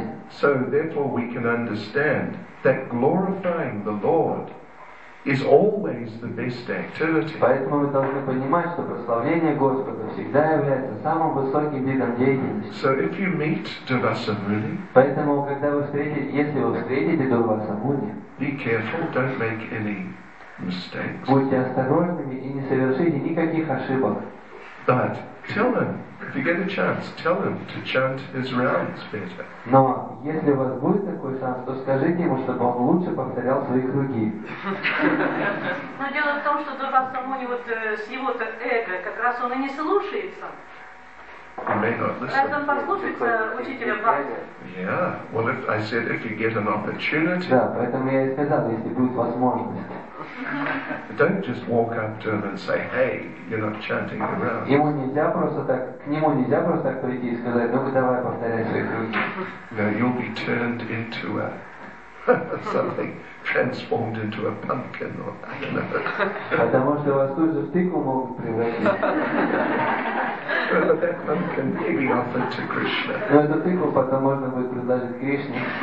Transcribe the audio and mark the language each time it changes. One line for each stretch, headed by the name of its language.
English: So therefore we can understand that glorifying the Lord is always the best activity.
Russian: Поэтому мы должны понимать, что прославление Господа всегда является самым высоким видом деятельности.
English: So if you meet Devasamuni,
Russian: поэтому когда вы встретите, если вы встретите Девасамуни,
English: be careful, don't make any mistakes.
Russian: Будьте осторожными и не совершите никаких ошибок.
English: But tell him, if you get a chance, tell him to chant his rounds better.
Russian: Но если у вас будет такой шанс, то скажите ему, чтобы он лучше повторял свои круги. Но дело в том, что только само не вот с его-то эго, как раз он и не слушается. Поэтому послушайте учителя Бхакти.
English: Yeah. Well, if I said if you get an opportunity.
Russian: Да, поэтому я и сказал, если будет возможность.
English: Don't just walk up to him and say, "Hey, you're not chanting the rounds."
Russian: Ему нельзя просто так, к нему нельзя просто так прийти и сказать, "Ну-ка, давай повторяй свои круги."
English: No, you'll be turned into a something, transformed into a pumpkin or I don't know.
Russian: Потому что вас тут же в тыкву могут превратить.
English: Well, that pumpkin may be offered to Krishna.
Russian: Но эту тыкву потом можно будет предложить Кришне.